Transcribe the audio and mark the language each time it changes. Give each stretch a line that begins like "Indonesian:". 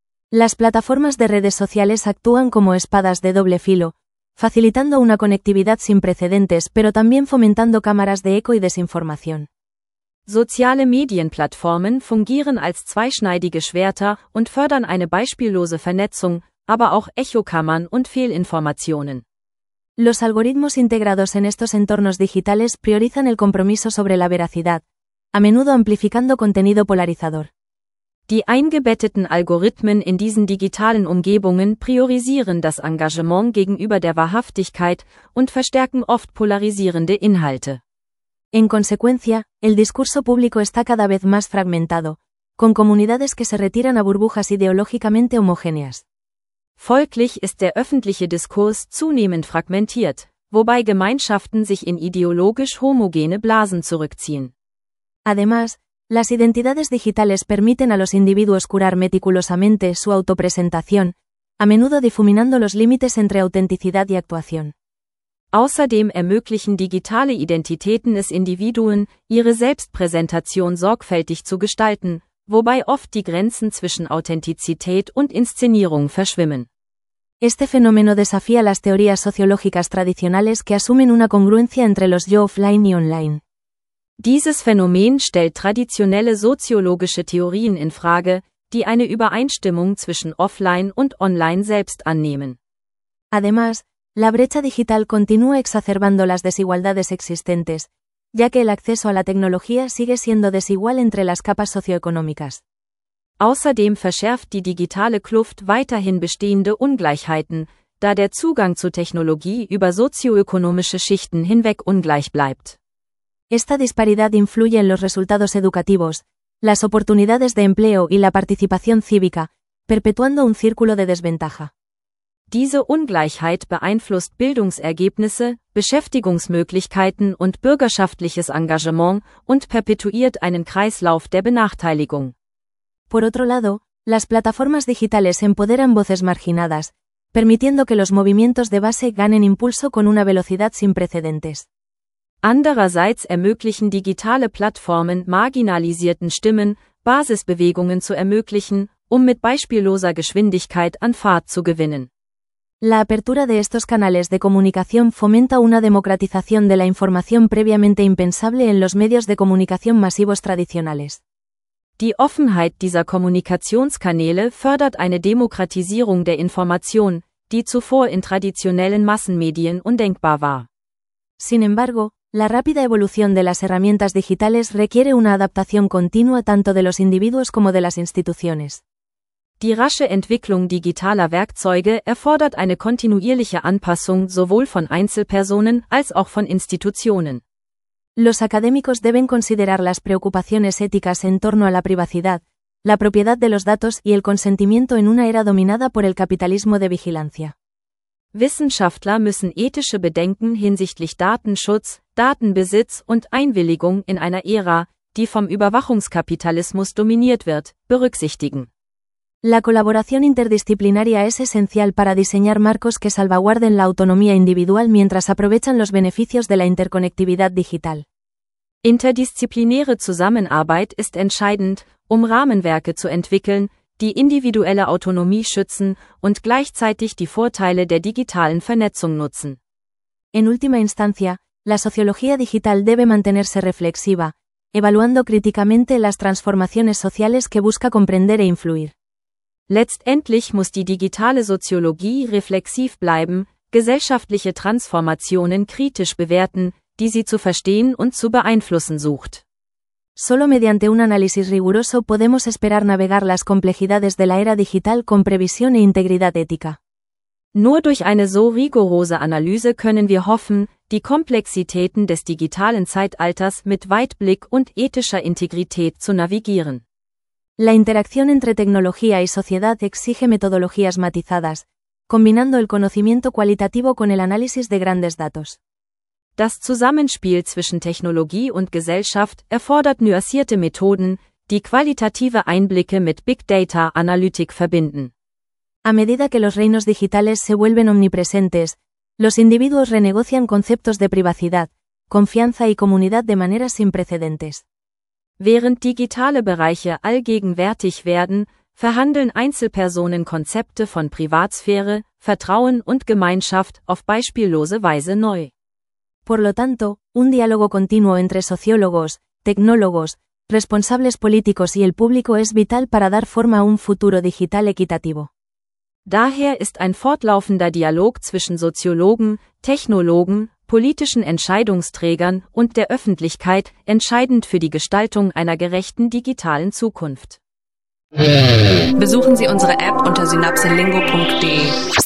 Spanish: Las plataformas de redes sociales actúan como espadas de doble filo, facilitando una conectividad sin precedentes, pero también fomentando cámaras de eco y desinformación.
German: Soziale Medienplattformen fungieren als zweischneidige Schwerter und fördern eine beispiellose Vernetzung, aber auch Echokammern und Fehlinformationen.
Spanish: Los algoritmos integrados en estos entornos digitales priorizan el compromiso sobre la veracidad, a menudo amplificando contenido polarizador.
German: Die eingebetteten Algorithmen in diesen digitalen Umgebungen priorisieren das Engagement gegenüber der Wahrhaftigkeit und verstärken oft polarisierende Inhalte.
Spanish: En consecuencia, el discurso público está cada vez más fragmentado, con comunidades que se retiran a burbujas ideológicamente homogéneas.
German: Folglich ist der öffentliche Diskurs zunehmend fragmentiert, wobei Gemeinschaften sich in ideologisch homogene Blasen zurückziehen.
Spanish: Además, las identidades digitales permiten a los individuos curar meticulosamente su autopresentación, a menudo difuminando los límites entre autenticidad y actuación.
German: Außerdem ermöglichen digitale Identitäten es Individuen, ihre Selbstpräsentation sorgfältig zu gestalten, wobei oft die Grenzen zwischen Authentizität und Inszenierung verschwimmen.
Spanish: Este fenómeno desafía las teorías sociológicas tradicionales que asumen una congruencia entre los yo offline y online.
German: Dieses Phänomen stellt traditionelle soziologische Theorien in Frage, die eine Übereinstimmung zwischen offline und online selbst annehmen.
Spanish: Además, la brecha digital continúa exacerbando las desigualdades existentes, ya que el acceso a la tecnología sigue siendo desigual entre las capas socioeconómicas.
German: Außerdem verschärft die digitale Kluft weiterhin bestehende Ungleichheiten, da der Zugang zu Technologie über sozioökonomische Schichten hinweg ungleich bleibt.
Spanish: Esta disparidad influye en los resultados educativos, las oportunidades de empleo y la participación cívica, perpetuando un círculo de desventaja.
German: Diese Ungleichheit beeinflusst Bildungsergebnisse, Beschäftigungsmöglichkeiten und bürgerschaftliches Engagement und perpetuiert einen Kreislauf der Benachteiligung.
Spanish: Por otro lado, las plataformas digitales empoderan voces marginadas, permitiendo que los movimientos de base ganen impulso con una velocidad sin precedentes.
German: Andererseits ermöglichen digitale Plattformen marginalisierten Stimmen, Basisbewegungen zu ermöglichen, um mit beispielloser Geschwindigkeit an Fahrt zu gewinnen.
Spanish: La apertura de estos canales de comunicación fomenta una democratización de la información previamente impensable en los medios de comunicación masivos tradicionales.
German: Die Offenheit dieser Kommunikationskanäle fördert eine Demokratisierung der Information, die zuvor in traditionellen Massenmedien undenkbar war.
Spanish: Sin embargo, la rápida evolución de las herramientas digitales requiere una adaptación continua tanto de los individuos como de las instituciones.
German: Die rasche Entwicklung digitaler Werkzeuge erfordert eine kontinuierliche Anpassung sowohl von Einzelpersonen als auch von Institutionen.
Spanish: Los académicos deben considerar las preocupaciones éticas en torno a la privacidad, la propiedad de los datos y el consentimiento en una era dominada por el capitalismo de vigilancia.
German: Wissenschaftler müssen ethische Bedenken hinsichtlich Datenschutz, Datenbesitz und Einwilligung in einer Ära, die vom Überwachungskapitalismus dominiert wird, berücksichtigen.
Spanish: La colaboración interdisciplinaria es esencial para diseñar marcos que salvaguarden la autonomía individual mientras aprovechan los beneficios de la interconectividad digital.
German: Interdisziplinäre Zusammenarbeit ist entscheidend, um Rahmenwerke zu entwickeln, die individuelle Autonomie schützen und gleichzeitig die Vorteile der digitalen Vernetzung nutzen.
Spanish: En última instancia, la sociología digital debe mantenerse reflexiva, evaluando críticamente las transformaciones sociales que busca comprender e influir.
German: Letztendlich muss die digitale Soziologie reflexiv bleiben, gesellschaftliche Transformationen kritisch bewerten, die sie zu verstehen und zu beeinflussen sucht.
Spanish: Solo mediante un análisis riguroso podemos esperar navegar las complejidades de la era digital con previsión e integridad ética.
German: Nur durch eine so rigorose Analyse können wir hoffen, die Komplexitäten des digitalen Zeitalters mit Weitblick und ethischer Integrität zu navigieren.
Spanish: La interacción entre tecnología y sociedad exige metodologías matizadas, combinando el conocimiento cualitativo con el análisis de grandes datos.
German: Das Zusammenspiel zwischen Technologie und Gesellschaft erfordert nuancierte Methoden, die qualitative Einblicke mit Big Data Analytik verbinden.
Spanish: A medida que los reinos digitales se vuelven omnipresentes, los individuos renegocian conceptos de privacidad, confianza y comunidad de maneras sin precedentes.
German: Während digitale Bereiche allgegenwärtig werden, verhandeln Einzelpersonen Konzepte von Privatsphäre, Vertrauen und Gemeinschaft auf beispiellose Weise neu.
Spanish: Por lo tanto, un diálogo continuo entre sociólogos, tecnólogos, responsables políticos y el público es vital para dar forma a un futuro digital equitativo.
German: Daher ist ein fortlaufender Dialog zwischen Soziologen, Technologen, politischen Entscheidungsträgern und der Öffentlichkeit entscheidend für die Gestaltung einer gerechten digitalen Zukunft. Besuchen Sie unsere App unter synapselingo.de.